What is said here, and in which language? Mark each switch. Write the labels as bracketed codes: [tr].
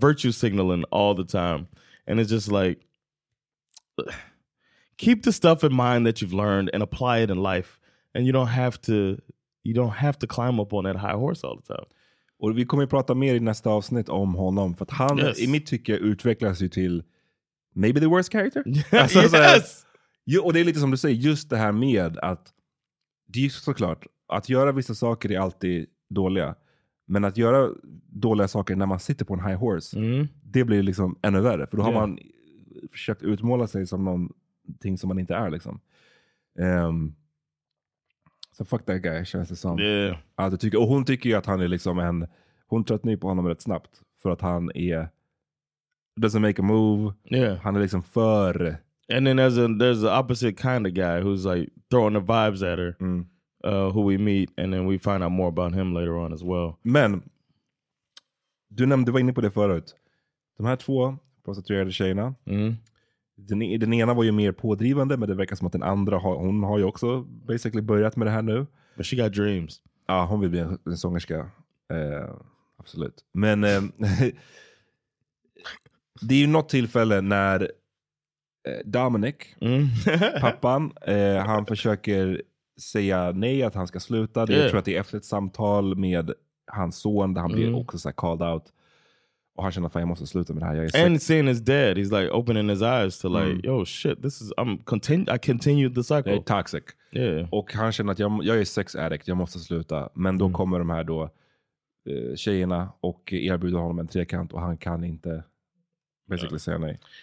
[en] Virtue signaling all the time. And it's just like, keep the stuff in mind that you've learned and apply it in life And you don't have to climb up on that high horse all the time. [sv] Och vi kommer att prata mer i nästa avsnitt om honom. För att han, yes, i mitt tycke, utvecklas ju till [en] maybe the worst character. [sv] Alltså, yes! Här, och det är lite som du säger, just det här med att det är såklart, att göra vissa saker är alltid dåliga. Men att göra dåliga saker när man sitter på en high horse, det blir liksom ännu värre. För då har man försökt utmåla sig som någonting som man inte är, liksom. Så [en] fuck that guy, [sv] känns det som. [en] Yeah. [sv] Tycker, och hon tycker ju att han är liksom en... Hon tröttnar på honom rätt snabbt. [en] För att han är... Doesn't make a move. Yeah. [sv] Han är liksom för... [en] And then there's the opposite kind of guy who's like throwing the vibes at her. Who we meet. And then we find out more about him later on as well. [sv] Men, du var inne på det förut. De här två prostituerade tjejerna. Den ena var ju mer pådrivande, men det verkar som att den andra har, hon har ju också basically börjat med det här nu. [en] But she got dreams. [sv] Ja, hon vill bli en sångerska. Absolut. Men det är ju något tillfälle när Dominic, pappan, han försöker säga nej, att han ska sluta. Det, jag tror att det är efter ett samtal med hans son där han blir också så här [en] called out. [sv] Och han känner att jag måste sluta med det här. Jag är [en] and seeing his dad, he's like opening his eyes to like, yo shit, this is, I continued the cycle. [sv] Det är toxic. [en] Yeah. [sv] Och han känner att jag är sex addict, jag måste sluta. Men då kommer de här då tjejerna och erbjuder honom en trekant och han kan inte basically säga nej.